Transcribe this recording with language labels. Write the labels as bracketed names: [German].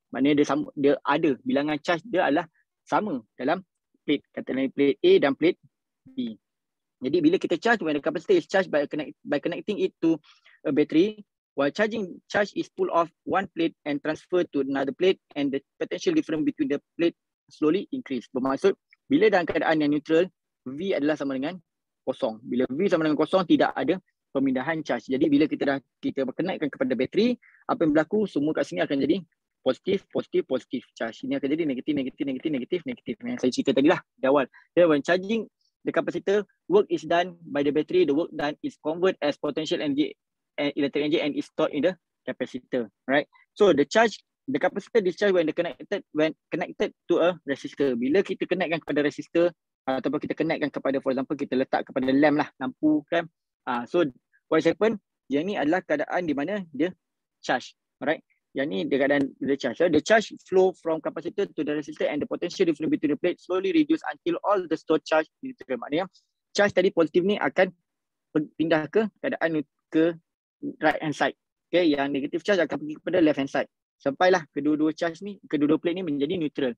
[Malay] Maknanya dia sama, dia ada bilangan charge dia adalah sama dalam plate, katakan plate A dan plate B. Jadi bila kita charge, [English] when the capacitor is charged by connecting it to a battery, while charging, charge is pulled off one plate and transferred to another plate, and the potential difference between the plate slowly increase. [Malay] Bermaksud bila dalam keadaan yang neutral, V adalah sama dengan kosong. Bila V sama dengan kosong, tidak ada pemindahan charge. Jadi bila kita connectkan kepada bateri, apa yang berlaku, semua kat sini akan jadi positif charge. Ini akan jadi negatif. Yang saya cerita tadi lah di awal. [English] Then when charging the capacitor, work is done by the battery. The work done is converted as potential energy and electric energy and is stored in the capacitor, right? So the charge, the capacitor discharge when connected to a resistor. [Malay] Bila kita connectkan kepada resistor ataupun kita connectkan kepada, [English] for example, [Malay] kita letak kepada lamp lah, lampu kan. [English] So what happen? [Malay] Yang ni adalah keadaan di mana dia charge, right? Yang ni dia keadaan dia charge. [English] The charge flow from capacitor to the resistor and the potential difference between the plate slowly reduce until all the stored charge is neutral. [Malay] Maknanya charge tadi positif ni akan pindah ke keadaan ke right hand side. Okay, yang negative charge akan pergi kepada left hand side. Sampailah kedua-dua charge ni, kedua-dua plate ni menjadi neutral.